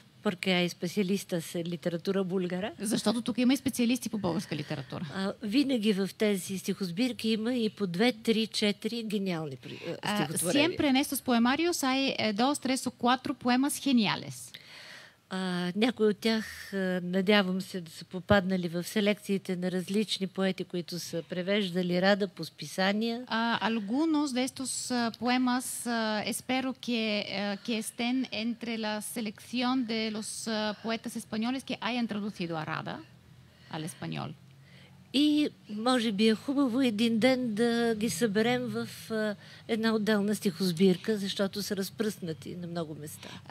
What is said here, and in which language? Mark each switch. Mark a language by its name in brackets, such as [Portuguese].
[Spanish] Porque hay especialistas en literatura búlgara. [Bulgarian] Защото тук има и специалисти по българска литература. Винаги в тези стихосбирки има и по 2-3-4 гениални стихотворения. [Spanish] Siempre en estos poemarios hay 2-3-4 poemas geniales. [Bulgarian] Някои от тях, надявам се, да са попаднали в селекциите на различни поети, които са превеждали Рада по списания. [Spanish] Algunos de estos poemas espero que estén entre la selección de los poetas españoles que hayan traducido a Rada al español. [Bulgarian] И може би е хубаво един ден да ги съберем в една отделна стихосбирка, защото са разпръснати на много места.